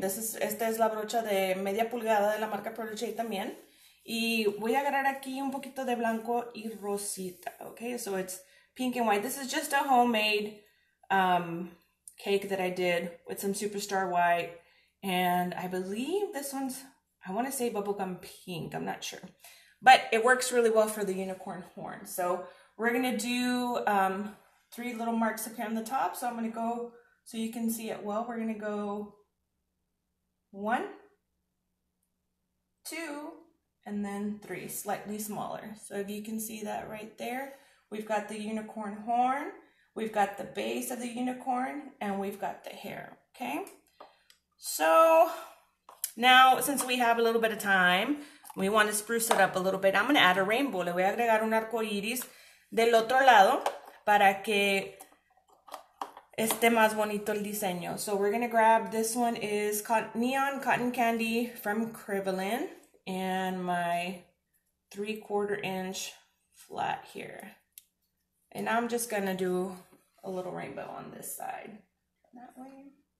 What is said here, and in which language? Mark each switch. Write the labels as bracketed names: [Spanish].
[Spanish] Esta es la brocha de media pulgada de la marca Protégé también. Y voy a agarrar aquí un poquito de blanco y rosita. [English] Okay, so it's pink and white. This is just a homemade cake that I did with some Superstar White. And I believe this one's, I want to say bubblegum pink. I'm not sure. But it works really well for the unicorn horn. So we're going to do three little marks up here on the top. So I'm going to go, so you can see it well, we're going to go one, two, and then three, slightly smaller. So if you can see that right there, we've got the unicorn horn, we've got the base of the unicorn, and we've got the hair, okay? So now, since we have a little bit of time, we want to spruce it up a little bit. I'm going to add a rainbow. [Spanish] Le voy a agregar un arco iris del otro lado para que esté más bonito el diseño. [English] So we're going to grab, this one is Neon Cotton Candy from Krivolin, and my 3/4 inch flat here. And I'm just going to do a little rainbow on this side. That way.